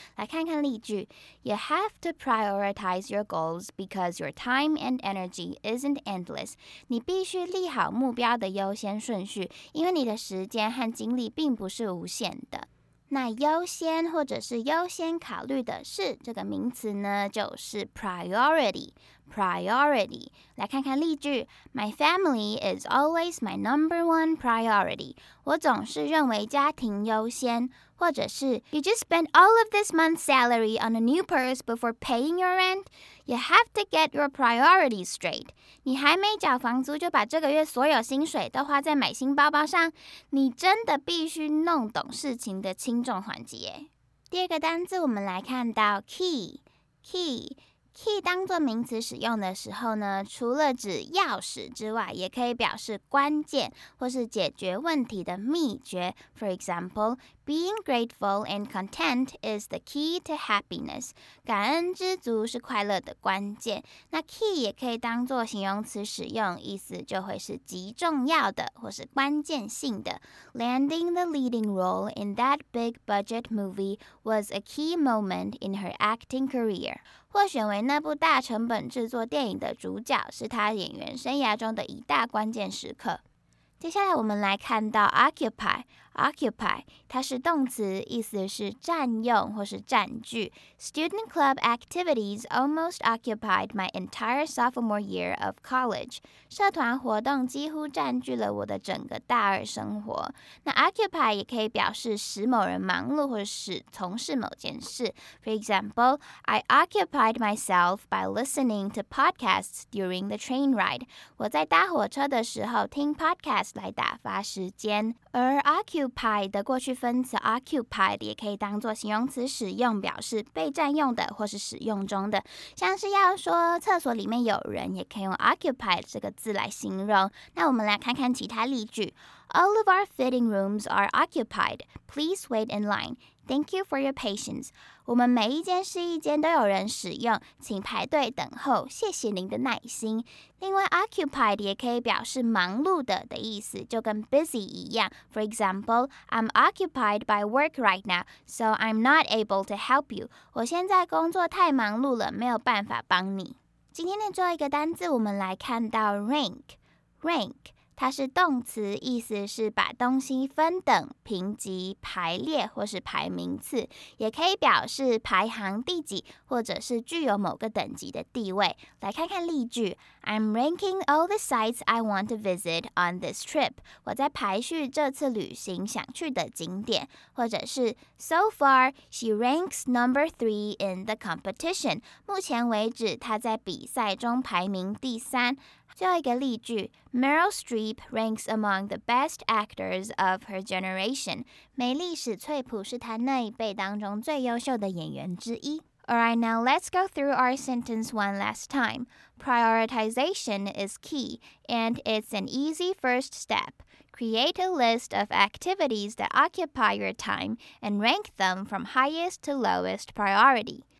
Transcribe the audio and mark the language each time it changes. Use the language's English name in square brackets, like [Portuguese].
[Chinese] 来看看例句， [English] You have to prioritize your goals because your time and energy isn't endless， [Chinese] 你必须立好目标的优先顺序，因为你的时间和精力并不是无限的。那优先或者是优先考虑的是这个名词呢，就是 priority。 [English] priority， [Chinese] 来看看例句 [English] ，My family is always my number one priority。 [Chinese] 我总是认为家庭优先，或者是 [English] You just spent all of this month's salary on a new purse before paying your rent。 You have to get your priorities straight。 [Chinese] 你还没缴房租就把这个月所有薪水都花在买新包包上，你真的必须弄懂事情的轻重缓急。第二个单字，我们来看到 key。Key 当作名词使用的时候呢，除了指钥匙之外，也可以表示关键或是解决问题的秘诀。 [English] For example, being grateful and content is the key to happiness. [Chinese] 感恩知足是快乐的关键。那 key 也可以当作形容词使用，意思就会是极重要的或是关键性的。 [English] Landing the leading role in that big budget movie was a key moment in her acting career. [Chinese] 获选为那部大成本制作电影的主角，是他演员生涯中的一大关键时刻。接下来我们来看到 occupy， 它是动词，意思是占用或是占据。 [English] Student club activities almost occupied my entire sophomore year of college. [Chinese] 社团活动几乎占据了我的整个大二生活。那 occupy 也可以表示使某人忙碌或是从事某件事。 [English] For example, I occupied myself by listening to podcasts during the train ride. [Chinese] 我在搭火车的时候听 podcast 来打发时间。而 occupy 的过去分词 occupied 也可以当作形容词使用，表示被占用的或是使用中的。像是要说厕所里面有人，也可以用 occupied 这个字来形容。那我们来看看其他例句。 [English] All of our fitting rooms are occupied. Please wait in line. Thank you for your patience. [Chinese] 我们每一间试衣间都有人使用，请排队等候，谢谢您的耐心。另外 occupied 也可以表示忙碌的意思，就跟 busy 一样。 [English] For example, I'm occupied by work right now, so I'm not able to help you. [Chinese] 我现在工作太忙碌了，没有办法帮你。今天的最后一个单字，我们来看到 rank， 它是动词，意思是把东西分等、评级、排列或是排名次，也可以表示排行第几，或者是具有某个等级的地位。来看看例句。 [English] I'm ranking all the sites I want to visit on this trip. [Chinese] 我在排序这次旅行想去的景点。或者是 [English] So far, she ranks number 3 in the competition. [Chinese] 目前为止，她在比赛中排名第三。最后一个例句， [English] Meryl Streep ranks among the best actors of her generation. [Chinese] 梅丽史翠普是她那一辈当中最优秀的演员之一。 [English] Alright, now let's go through our sentence one last time. Prioritization is key, and it's an easy first step. Create a list of activities that occupy your time and rank them from highest to lowest priority.